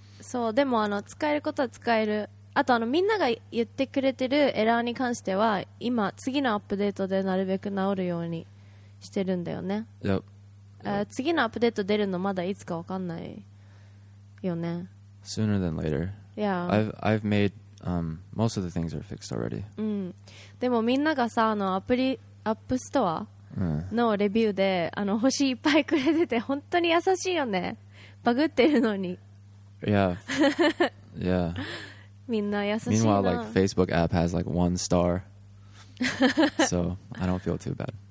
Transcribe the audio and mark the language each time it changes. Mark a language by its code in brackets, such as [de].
[ja] そう、でもあの使えることは使える。あとあのみんなが言ってくれてるエラーに関しては今次のアップデートでなるべく直るようにしてるんだよね。 [en] yep. Yep. [ja] 次のアップデート出るのまだいつか分かんないよね。 [en] Sooner than later. Yeah. I've made most of the things are fixed already. [ja] うん。でもみんながさあのアプリアップストアのレビューであの星いっぱいくれてて本当に優しいよね、バグってるのに。 [en] Yeah. Yeah. [ja] みんな優しいな。 [en] Meanwhile, like, Facebook app has like one star. So, I don't feel too bad.